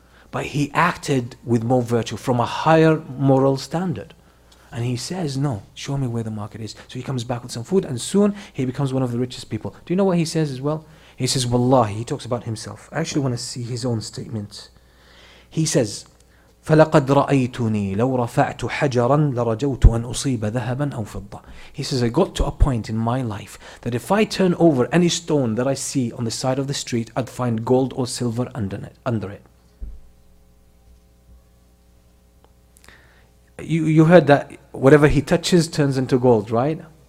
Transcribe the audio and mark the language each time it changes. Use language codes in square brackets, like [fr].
[en] But he acted with more virtue, from a higher moral standard. And he says, no, show me where the market is. So he comes back with some food, and soon he becomes one of the richest people. Do you know what he says as well? He says, wallahi, he talks about himself. I actually want to see his own statement. He says, [ar] فَلَقَدْ رَأَيْتُنِي لَوْ رَفَعْتُ حَجَرًا لَرَجَوْتُ أَنْ أُصِيبَ ذَهَبًا أَوْ فِضَّةً. [en] He says, I got to a point in my life that if I turn over any stone that I see on the side of the street, I'd find gold or silver under it. You heard that whatever he touches turns into gold, right?